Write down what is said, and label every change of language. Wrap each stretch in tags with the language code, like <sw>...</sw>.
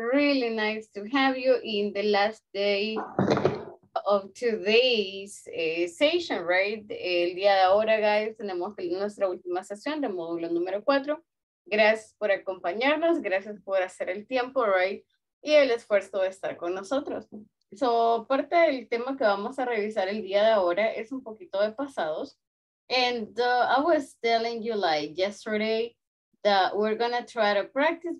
<en>Really nice to have you in the last day of today's session, right?</en> <es>El día de ahora, guys, tenemos nuestra última sesión de módulo número 4. Gracias por acompañarnos. Gracias por hacer el tiempo, right? Y el esfuerzo de estar con nosotros. So, parte del tema que vamos a revisar el día de ahora es un poquito de pasados.</es> <en>And I was telling you like yesterday that we're gonna try to practice.</en>